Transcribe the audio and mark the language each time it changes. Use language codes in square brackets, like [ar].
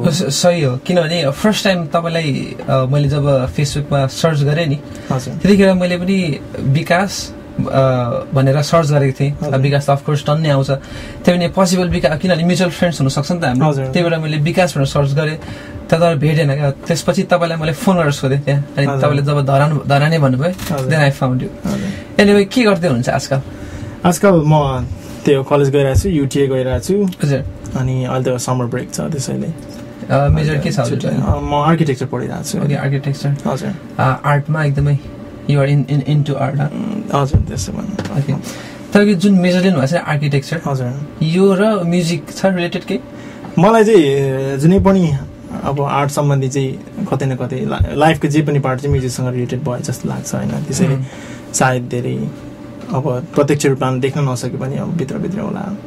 [ne] हो सही हो किनभने फर्स्ट टाइम तपाईँलाई मैले जब फेसबुकमा सर्च गरेँ नि त्यतिखेर मैले पनि विकास भनेर सर्च गरेको थिएँ विकास त अफकोर्स टन्नै आउँछ त्यही भने पोसिबल विकास किनभने म्युचुअल फ्रेन्ड्स हुनसक्छ नि त हाम्रो त्यही भएर मैले विकास भनेर सर्च गरेँ तर भेटेन क्या त्यसपछि तपाईँलाई मैले फोन गरेर सोधेँ त्यहाँ अनि तपाईँले जब धरानै भन्नुभयो [en] then I found you anyway [ne] के गर्दै हुनुहुन्छ आजकल आजकल म त्यो कलेज गइरहेको छु युटिए गइरहेको छु हजुर अनि अहिले त समर ब्रेक छ त्यसैले मेजर के छ म आर्किटेक्चर पढिरहेको छु आर्किटेक्चर हजुर आर्टमा एकदमै [en] You are into art, [ne] हजुर त्यसो भने तपाईँको जुन मेजर लिनुभएको छ आर्किटेक्चर हजुर यो र म्युजिक छ रिलेटेड केही मलाई चाहिँ जुनै पनि अब आर्ट सम्बन्धी चाहिँ कतै न कतै लाइफको जे पनि पार्ट चाहिँ म्युजिकसँग रिलेटेड भयो जस्तो लाग्छ होइन त्यसैले सायद धेरै अब प्रत्यक्ष रूपमा देख्न नसके पनि अब भित्रभित्र होला